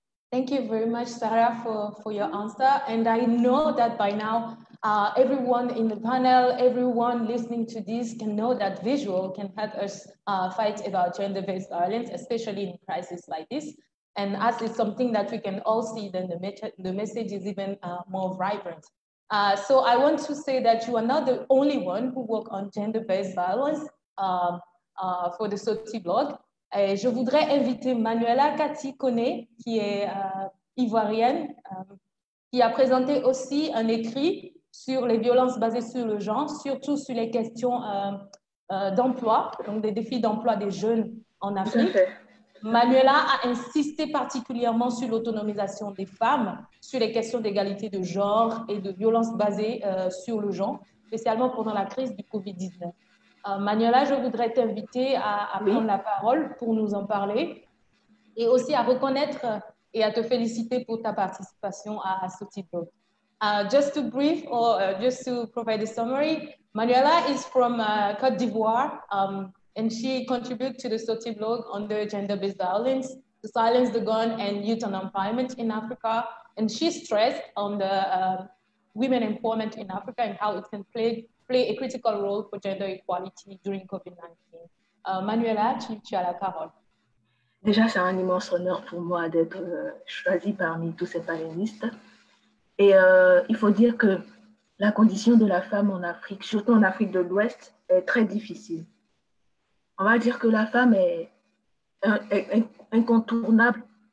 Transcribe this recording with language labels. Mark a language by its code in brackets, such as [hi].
[en] Thank you very much, Sarah, for your answer. And I know that by now, everyone in the panel, everyone listening to this can know that visual can help us fight about gender-based violence, especially in crises like this. And as it's something that we can all see, then the message is even more vibrant. So I want to say that you are not the only one who work on gender-based violence for the Sauti blog. [fr] Et je voudrais inviter Manuela Cathy Coney, qui est ivoirienne, qui a présenté aussi un écrit sur les violences basées sur le genre, surtout sur les questions d'emploi, donc des défis d'emploi des jeunes en Afrique. Manuela a insisté particulièrement sur l'autonomisation des femmes, sur les questions d'égalité de genre et de violences basées sur le genre, spécialement pendant la crise du COVID-19. Manuela, je voudrais t'inviter à prendre la parole pour nous en parler et aussi à reconnaître et à te féliciter pour ta participation à Sauti blog. [en] Just to brief or just to provide a summary, Manuela is from Côte d'Ivoire and she contributes to the Sauti blog on the gender-based violence, the silence the gun and youth unemployment in Africa. And she stressed on the women empowerment in Africa and how it can play a critical role for gender equality during COVID-19. [fr] Manuela, tu as la parole. Déjà, c'est un immense honneur pour moi d'être choisie parmi tous ces panélistes. Et il faut dire que la condition de la femme en Afrique, surtout en Afrique de l'Ouest, est très difficile. On va dire que la femme est incontournable.